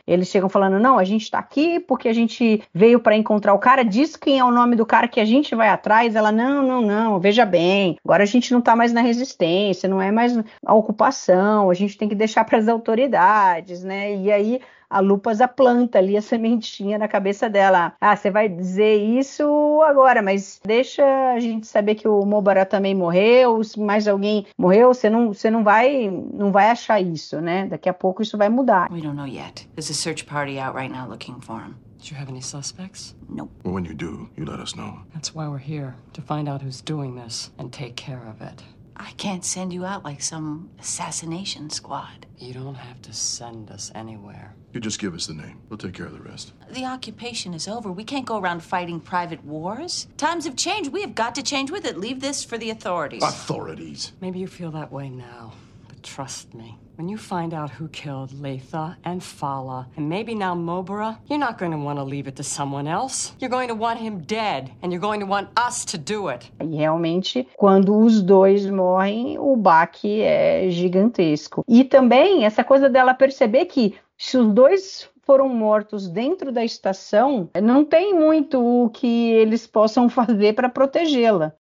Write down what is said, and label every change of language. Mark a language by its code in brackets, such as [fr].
[pt] eles chegam falando, não, a gente está aqui porque a gente veio para encontrar o cara, diz quem é o nome do cara que a gente vai atrás, ela, não, veja bem, agora a gente não está mais na resistência, não é mais a ocupação, a gente tem que deixar para as autoridades, né, e aí a Lupus planta ali a sementinha na cabeça dela. Ah, você vai dizer isso agora, mas deixa a gente saber que o Mobara também morreu, se mais alguém morreu, você não vai achar isso, né? Daqui a pouco isso vai mudar. [en] We don't know yet. There's a search party out right now looking for him. Do you have any suspects? Nope. Well, when you do, you let us know. That's why we're here, to find out who's doing this and take care of it. I can't send you out like some assassination squad. You don't have to send us anywhere. You just give us the name. We'll take care of the rest. The occupation is over. We can't go around fighting private wars. Times have changed. We have got to change with it. Leave this for the authorities. Authorities? Maybe you feel that way now, but trust me. When you find out who killed Letha and Fala, and maybe now Mobara, you're not going to want to leave it to someone else. You're going to want him dead, and you're going to want us to do it. [pt] E realmente, quando os dois morrem, o baque é gigantesco. E também, essa coisa dela perceber que se os dois foram mortos dentro da estação, não tem muito o que eles possam fazer para protegê-la.